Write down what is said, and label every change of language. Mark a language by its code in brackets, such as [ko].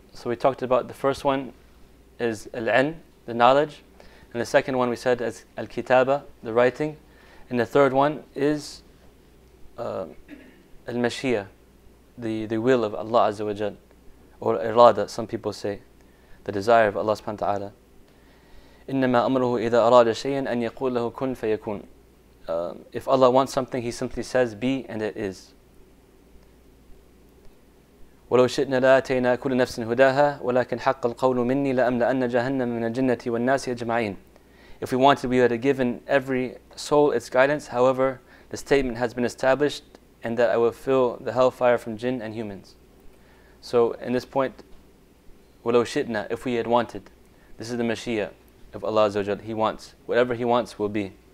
[en] So we talked about the first one is al-Ilm, the knowledge. And the second one we said is al-Kitaba, the writing. And the third one is al-Mashiya, the will of Allah Azza wa Jal. Or irada, some people say, the desire of Allah subhanahu wa ta'ala. [ar] إِنَّمَا أَمْرُهُ إِذَا أَرَادَ شَيْئًا أَنْ يَقُولَ لَهُ كُنْ فَيَكُونَ. [en] If Allah wants something, He simply says, be, and it is. [ar] وَلَوْ شِئْنَا لَآتَيْنَا كُلَّ نَفْسٍ هُدَاهَا وَلَكِنْ حَقَّ الْقَوْلُ مِنِّي لَأَمْلَأَنَّ جَهَنَّمَ مِنَ الْجِنَّةِ وَالنَّاسِ أَجْمَعِينَ. [en] If we wanted, we would have given every soul its guidance. However, the statement has been established, and that I will fill the hellfire from jinn and humans. So, in this point, [ar] وَلَوْ شِئْنَا, [en] if we had wanted, this is the Mashiach of Allah Azza wa Jalla. He wants. Whatever He wants will be.